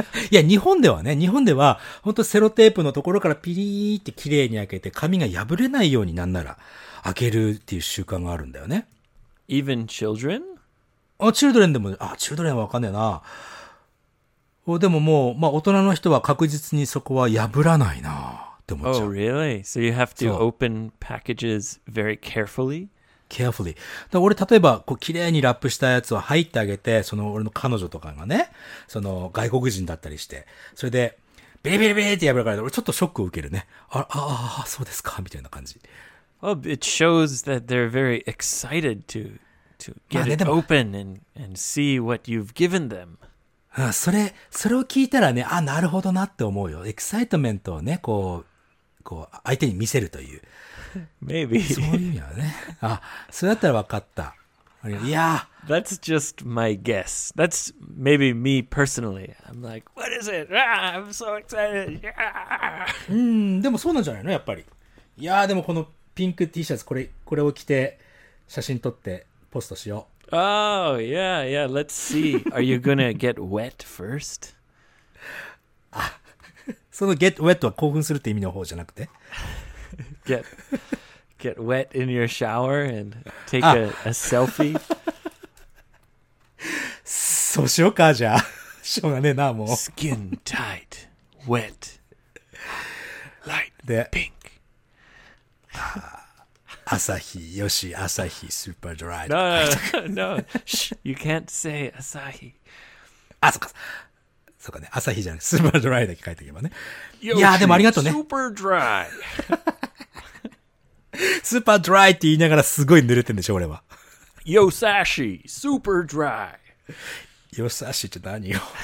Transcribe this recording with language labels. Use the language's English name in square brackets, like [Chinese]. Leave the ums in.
[Japanese] いや、日本ではね、日本では、本当セロテープのところからピリーって綺麗に開けて、髪が破れないようになんなら、開けるっていう習慣があるんだよね。 Even c h i あ、チルドレンでも、あ、チュードレンはわかんねえな。でももう、まあ大人の人は確実にそこは破らないな。 [English] っ思う。Oh, really? So you have to open packages very carefully? Carefully. [Japanese] 俺、例えば、こう、綺麗にラップしたやつを入ってあげて、その、俺の彼女とかがね、その、外国人だったりして、それで、ビリビリビリって破るから、俺ちょっとショックを受けるね。あ、ああ、そうですか、みたいな感じ。 [English] Well, it shows that they're very excited to, to get ね、ね、open and, and see what you've given them. [Japanese] ああそれ、それを聞いたらね、あ、なるほどなって思うよ。 e エクサイトメントをね、こう、こう、相手に見せるという。 Maybe. そういう意味はね。あ、それだったら分かった。 [English] いや !That's just my guess.That's maybe me personally.I'm like, what is it?I'm、ah, so excited!、Yeah! [Japanese] うん、でもそうなんじゃないのやっぱり。いやでもこのピンク T シャツ、これ、これを着て、写真撮って、ポストしよう。 [English] Oh, yeah, yeah, let's see.Are you gonna get wet first? [Japanese] あその get wet は興奮するって意味の方じゃなくて。 [English] get, get wet in your shower and take a, あ a selfie? [Japanese] そうしようか、じゃあ。しょうがねえな、もう。 [English] skin tight, wet, light, で、pink. [Japanese] 朝日、よし、朝日、スーパードライ。 [English] No, no, no. no. Shh, you can't say 朝日。 [Japanese] あ、そっか。そうかね。朝日じゃなくスーパードライだけ書いておけばね。 Yoshi、いやでもありがとうね。スーパードライ。スーパードライって言いながらすごい濡れてんでしょ、俺は。よさし、スーパードライ。よさしって何よ。